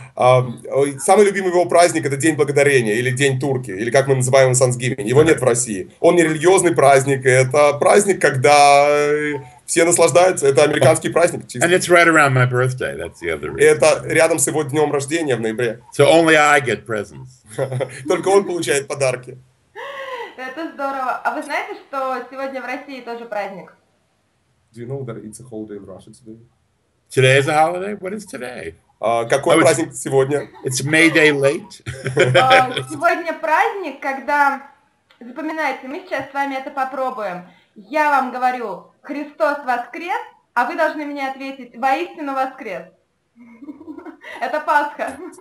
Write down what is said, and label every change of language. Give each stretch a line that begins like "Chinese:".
Russian: Самый любимый его праздник – это День Благодарения, или День Турки, или как мы называем Thanksgiving. Его нет в России. Он не религиозный праздник, это праздник, когда все наслаждаются. Это американский праздник. Чисто.
English: And it's right around my birthday, that's the other reason.
Russian: Это рядом с его днем рождения в ноябре.
English: So only I get presents.
Russian: Только он получает подарки. Это здорово. А вы знаете, что сегодня в России тоже праздник?
English: Do you know that it's a holiday in Russia today? Today is a holiday? What is today?
Russian: Какой праздник сегодня?
English: It's May Day late.
Russian: Сегодня праздник, когда... Запоминайте, мы сейчас с вами это попробуем. Я вам говорю, Христос воскрес, а вы должны мне ответить, воистину воскрес. Это Пасха.